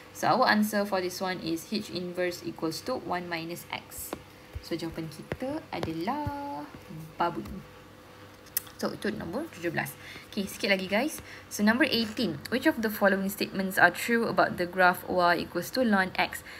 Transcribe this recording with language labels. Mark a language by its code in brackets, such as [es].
[en] So our answer for this one is h inverse equals to 1 minus x. [ms] So jawapan kita adalah babun. So itu nombor 17. Okay, sikit lagi guys. [en] So number 18. Which of the following statements are true about the graph y equals to ln x?